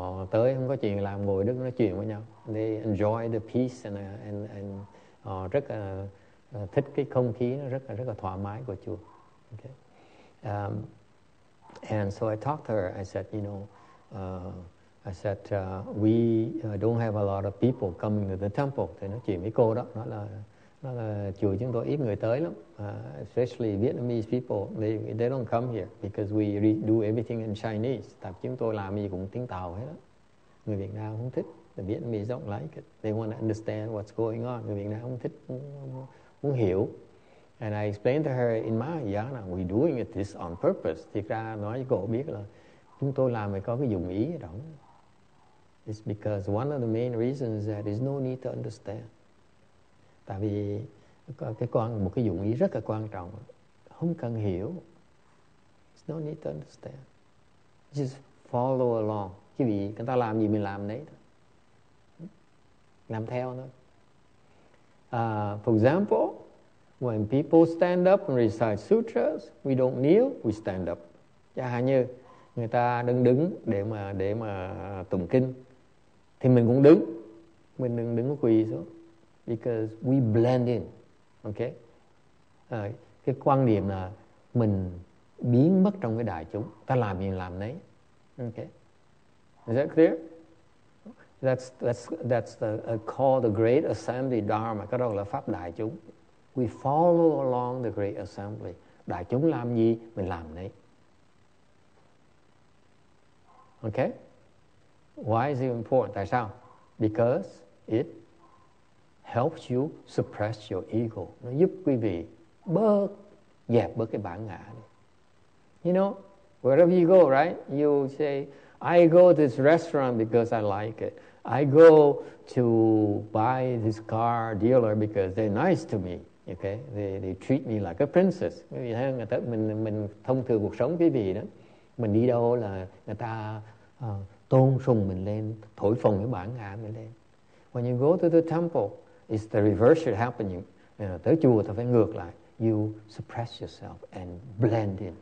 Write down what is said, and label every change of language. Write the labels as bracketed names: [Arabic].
[Vietnamese] Tới không có chuyện làm, ngồi đứng nói chuyện với nhau. [English] They enjoy the peace and [Vietnamese] rất là thích cái không khí nó rất là thoải mái của chùa. [English] Okay. And so I talked to her. I said, you know, we don't have a lot of people coming to the temple. [Vietnamese] Thì nói chuyện với cô đó, nói là chùa chúng tôi ít người tới lắm, [English] especially Vietnamese people, they don't come here because we do everything in Chinese. [Vietnamese] Tập chúng tôi làm gì cũng tiếng Tàu hết đó. Người Việt Nam không thích, [English] the Vietnamese don't like it. They want to understand what's going on. [Vietnamese] Người Việt Nam không thích, muốn hiểu. [English] And I explained to her in my yana, we doing it this on purpose. [Vietnamese] Thiệt ra nói cho cô biết là chúng tôi làm phải có cái dụng ý đó. [English] It's because one of the main reasons that there's no need to understand. [Vietnamese] Tại vì một cái dụng ý rất là quan trọng, không cần hiểu. [English] It's no need to understand. Just follow along. [Vietnamese] Chứ vì người ta làm gì mình làm đấy thôi. Làm theo thôi. [English] For example, when people stand up and recite sutras, we don't kneel, we stand up. [Vietnamese] Chẳng hạn như người ta đứng để mà tụng kinh, thì mình cũng đứng. Mình đừng có quỳ xuống. [English] Because we blend in, okay? [Vietnamese] Cái quan niệm là mình biến mất trong cái đại chúng, ta làm gì làm đấy, okay? [English] Is that clear? That's the called the Great Assembly Dharma. [Vietnamese] Cái đó là pháp đại chúng. [English] We follow along the Great Assembly. [Vietnamese] Đại chúng làm gì, mình làm đấy. [English] Okay? Why is it important? [Vietnamese] Tại sao? [English] Because it helps you suppress your ego. [Vietnamese] Nó giúp quý vị bớt, dẹp bớt cái bản ngã. [English] You know, wherever you go, right? You say, I go to this restaurant because I like it. I go to buy this car dealer because they're nice to me. Okay, they treat me like a princess. [Vietnamese] Quý vị thấy người ta mình thông thường cuộc sống quý vị đó, mình đi đâu là người ta tôn sùng mình lên, thổi phồng cái bản ngã mình lên. [English] When you go to the temple, it's the reverse should happen. [Vietnamese] Tới chùa ta phải ngược lại. [English] You suppress yourself and blend in.